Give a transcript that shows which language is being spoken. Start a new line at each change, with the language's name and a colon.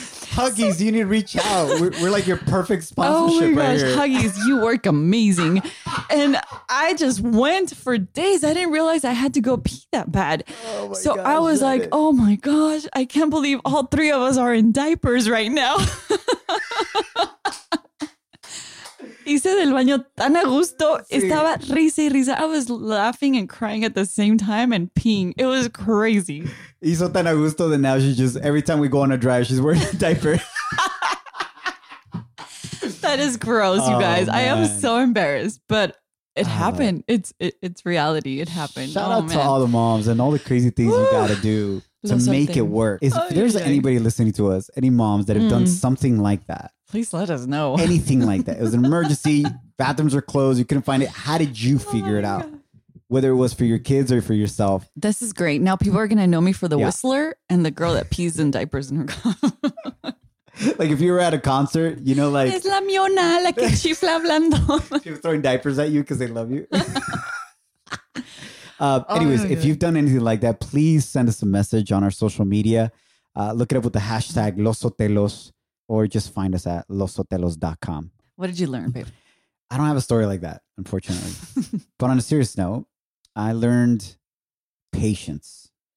English: Huggies, you need to reach out. We're like your perfect sponsorship right here. Oh my gosh, right, Huggies, you work amazing. And I just went for days. I didn't realize I had to go pee that bad. Oh my gosh, I can't believe all three of us are in diapers right now.
Spanish: Hice del baño tan a gusto. Sí. Estaba risa y risa.
English: I was laughing and crying at the same time and peeing. It was crazy.
Spanish: Hizo tan a gusto
English: that now she just, every time we go on a drive, she's wearing a diaper. That is gross, you guys. Oh, I am so embarrassed, but it happened. It's reality. It happened. Shout out man. To all the moms and all the crazy things you got to do to make it work. If there's anybody listening to us, any moms that have done something like that, please let us know. Anything like that. It was an emergency. Bathrooms are closed. You couldn't find it. How did you figure it out? Whether it was for your kids or for yourself. This is great. Now people are going to know me for the whistler and the girl that pees in diapers in her car. Like if you were at a concert, you know, like.
Spanish: Es la miona, la que chifla hablando.
English: She was throwing diapers at you because they love you. anyways, if you've done anything like that, please send us a message on our social media. Look it up with the hashtag losotelos. Or just find us at losotelos.com. What did you learn, babe? I don't have a story like that, unfortunately. But on a serious note, I learned patience.